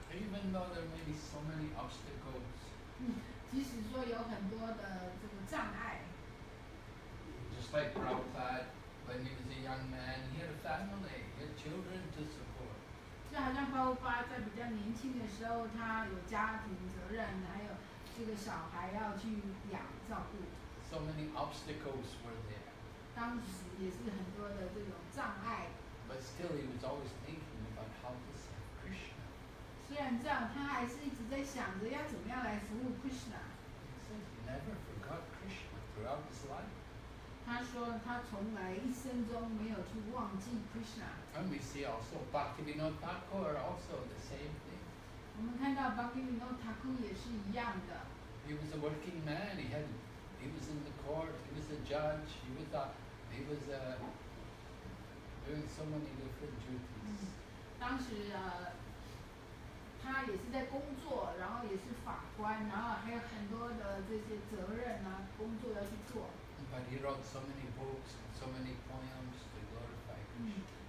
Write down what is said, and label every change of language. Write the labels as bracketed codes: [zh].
[en] Even though there may be so many obstacles. [zh] 即使说有很多的这个障碍。 [en] Just like Prabhupada. When he was a young man, he had a family, he had children to support. [zh] 就好像巴布巴在比较年轻的时候，他有家庭责任，还有这个小孩要去养照顾。 [en] So many obstacles were there. [zh] 当时也是很多的这种障碍。 [en] But still, he was always thinking about how to serve Krishna. [zh] 虽然这样，他还是一直在想着要怎么样来服务 Krishna. [en] He said he never forgot Krishna throughout his life. [zh] 他说他从来一生中没有去忘记 Krishna. [en] And we see also Bhaktivinoda Thakur also the same thing. [zh] 我们看到Bhaktivinoda Thakur也是一样的。 [en] He was a working man. He was in the court. He was a judge. He was doing so many different duties. [zh] 当时他也是在工作，然后也是法官，然后还有很多的这些责任啊，工作要去做。 [en] But he wrote so many books and so many poems to glorify Krishna.